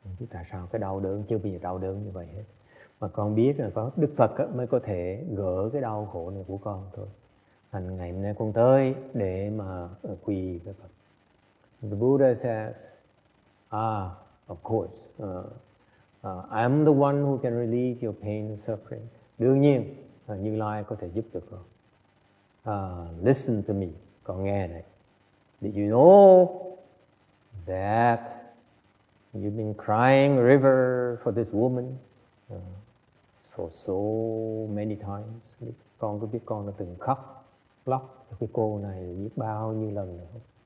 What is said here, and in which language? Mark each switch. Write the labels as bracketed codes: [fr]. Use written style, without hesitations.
[vi] Tại sao cái đau đớn chưa bao giờ đau đớn như vậy hết? Mà con biết là có Đức Phật mới có thể gỡ cái đau khổ này của con thôi. Thành ngày hôm nay con tới để mà quỳ với Phật. [en] The Buddha says, of course, I'm the one who can relieve your pain and suffering. [vi] Đương nhiên, Như Lai có thể giúp được con. [en] Listen to me, [vi] con nghe này. [en] Did you know that you've been crying river for this woman? For so many times, [vi] con có biết con đã từng khóc lóc cho cái cô này biết bao nhiêu lần nữa.